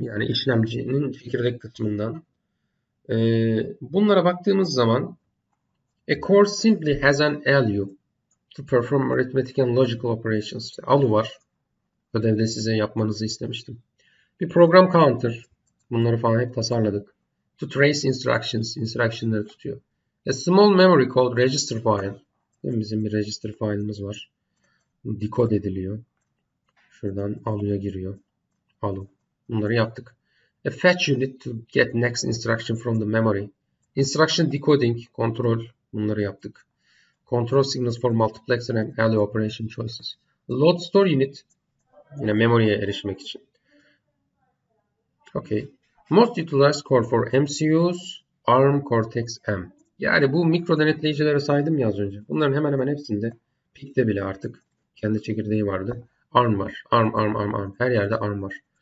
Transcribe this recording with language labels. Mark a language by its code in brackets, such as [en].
[tr] Yani işlemcinin çekirdek kısmından. Bunlara baktığımız zaman [en] A core simply has an ALU to perform arithmetic and logical operations. [tr] ALU var. Ödevde size yapmanızı istemiştim. Bir program counter. Bunları falan hep tasarladık. [en] To trace instructions. [tr] Instructionları tutuyor. [en] A small memory called register file. [tr] Bizim bir register file'ımız var. Decode ediliyor. Şuradan ALU'ya giriyor. ALU. Bunları yaptık. [en] A fetch unit to get next instruction from the memory. Instruction decoding. [tr] Kontrol. Bunları yaptık. [en] Control signals for multiplexer and ALU operation choices. Load store unit. [tr] Yine memory'ye erişmek için. Okay. [en] Most utilized core for MCUs, ARM Cortex-M. [tr] Yani bu mikro denetleyicileri saydım ya az önce. Bunların hemen hemen hepsinde, PIC'de bile artık kendi çekirdeği vardı. ARM var. ARM. Her yerde ARM var.